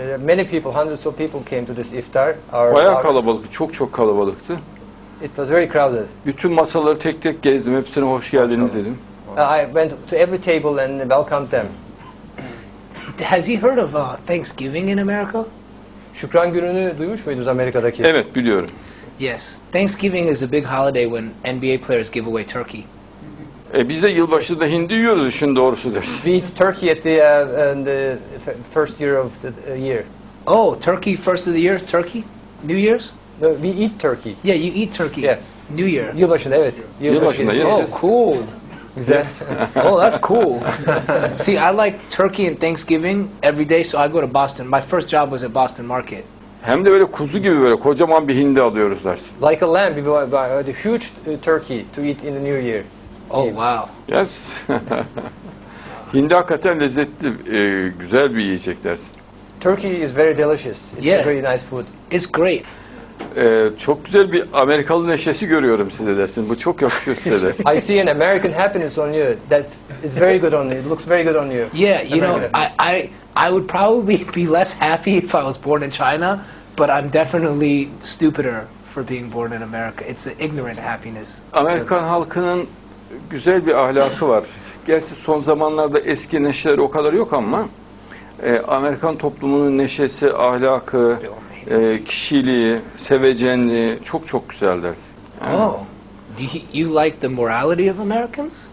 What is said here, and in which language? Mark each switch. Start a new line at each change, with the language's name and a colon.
English: Many people, hundreds of people came to this iftar.
Turkish: Bayağı kalabalıktı, çok çok kalabalıktı.
English: It was very crowded.
Turkish: Bütün masaları tek tek gezdim, hepsine hoş geldiniz dedim.
English: I went to every table and welcomed them. Has he heard of Thanksgiving in America?
Turkish: Şükran gününü duymuş muydunuz Amerika'daki? Evet, biliyorum.
English: Yes, Thanksgiving is a big holiday when NBA players give away turkey.
Turkish: Biz de yılbaşında da hindi yiyoruz işin doğrusu dersin.
English: We eat turkey at the first year of the year. Oh, turkey first of the year, turkey? New Year's? No, we eat turkey. Yeah, you eat turkey. Yeah. New Year.
Turkish: Yılbaşında, evet. Yılbaşında, yes.
English: Oh, cool. Yes. Oh, that's cool. See, I like turkey and Thanksgiving every day, so I go to Boston. My first job was at Boston Market.
Turkish: Hem de böyle kuzu gibi böyle kocaman bir hindi alıyoruz dersin.
English: Like a lamb, we buy a huge turkey to eat in the new year. Oh, wow.
Turkish: Yes. Hindi hakikaten lezzetli, güzel bir yiyecek dersin.
English: Turkey is very delicious. It's yeah. A very nice food. It's great.
Turkish: Çok güzel bir Amerikalı neşesi görüyorum size dersin. Bu çok yakışıyor size dersin.
English: I see an American happiness on you. That is very good on you. It looks very good on you. Yeah, you know, I would probably be less happy if I was born in China, but I'm definitely stupider for being born in America. It's an ignorant happiness.
Turkish: Amerikan halkının güzel bir ahlakı var. Gerçi son zamanlarda eski neşeleri o kadar yok ama Amerikan toplumunun neşesi, ahlakı, kişiliği, sevecenliği çok çok güzel dersin.
English: Oh. Do you like the morality of Americans?